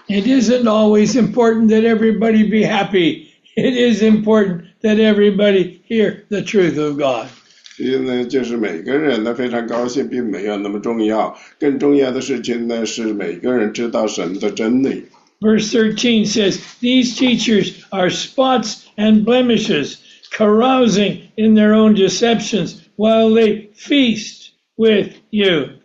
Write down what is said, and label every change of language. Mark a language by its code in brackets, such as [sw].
[en] It isn't always important that everybody be happy. It is important that everybody hear the truth of God. [zh] 其实呢，就是每个人呢非常高兴，并没有那么重要。更重要的事情呢，是每个人知道神的真理。 [en] Verse 13 says, these teachers are spots and blemishes, carousing in their own deceptions while they feast with you.